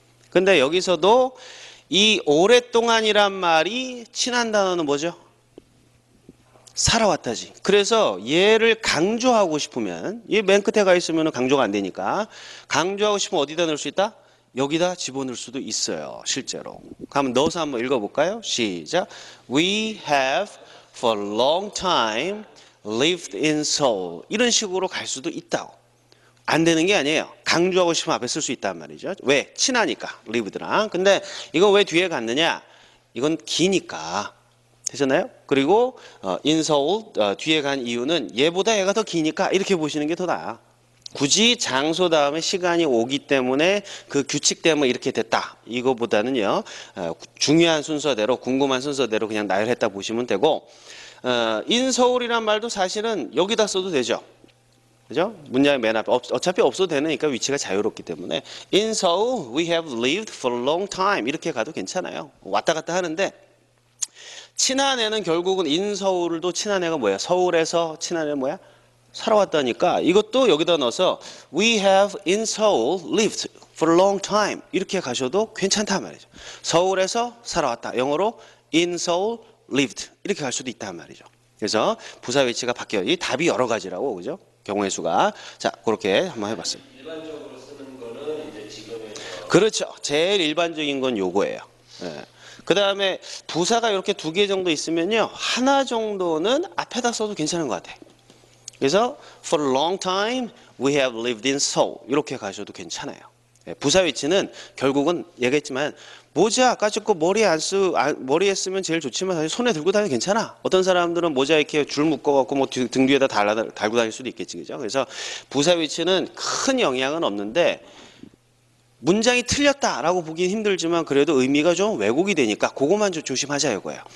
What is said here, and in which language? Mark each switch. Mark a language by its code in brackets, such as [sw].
[ko] 근데 여기서도 이 오랫동안이란 말이 친한 단어는 뭐죠? 살아왔다지. 그래서 얘를 강조하고 싶으면, 얘맨 끝에 가 있으면 강조가 안 되니까, 강조하고 싶으면 어디다 넣을 수 있다? 여기다 집어넣을 수도 있어요, 실제로. 그럼 넣어서 한번 읽어볼까요? 시작. [en] We have for a long time lived in Seoul. [ko] 이런 식으로 갈 수도 있다고. 안 되는 게 아니에요. 강조하고 싶으면 앞에 쓸수 있단 말이죠. 왜? 친하니까, lived랑. 근데 이거 왜 뒤에 갔느냐? 이건 기니까. 되셨나요? 그리고 in Seoul 뒤에 간 이유는 얘보다 얘가 더 기니까 이렇게 보시는 게더 나아. 굳이 장소 다음에 시간이 오기 때문에 그 규칙 때문에 이렇게 됐다. 이거보다는요, 중요한 순서대로, 궁금한 순서대로 그냥 나열했다 보시면 되고, in Seoul이란 말도 사실은 여기다 써도 되죠. 그죠? 문장의 맨 앞에, 어차피 없어도 되니까 위치가 자유롭기 때문에. [en] In Seoul, we have lived for a long time. [ko] 이렇게 가도 괜찮아요. 왔다 갔다 하는데, 친한 애는 결국은 in Seoul도 친한 애가 뭐야? 서울에서 친한 애 뭐야? 살아왔다니까. 이것도 여기다 넣어서 [en] We have in Seoul lived for a long time. [ko] 이렇게 가셔도 괜찮단 말이죠. 서울에서 살아왔다. 영어로 [en] in Seoul lived. [ko] 이렇게 갈 수도 있단 말이죠. 그래서 부사 위치가 바뀌어요. 이 답이 여러 가지라고, 그죠? 경우의 수가. 자, 그렇게 한번 해봤습니다. 일반적으로 쓰는 거는 이제 그렇죠. 제일 일반적인 건 요거예요. 예. 그 다음에 부사가 이렇게 두개 정도 있으면요. 하나 정도는 앞에다 써도 괜찮은 것 같아요. 그래서 [en] for a long time we have lived in Seoul [ko] 이렇게 가셔도 괜찮아요. 예, 부사 위치는 결국은 얘기했지만 모자 까짓거 머리에 쓰면 제일 좋지만 사실 손에 들고 다녀도 괜찮아. 어떤 사람들은 모자 이렇게 줄 묶어갖고 뭐등 뒤에다 달고 다닐 수도 있겠지, 그죠? 그래서 부사 위치는 큰 영향은 없는데 문장이 틀렸다라고 보긴 힘들지만 그래도 의미가 좀 왜곡이 되니까 그것만 좀 조심하자 이거예요.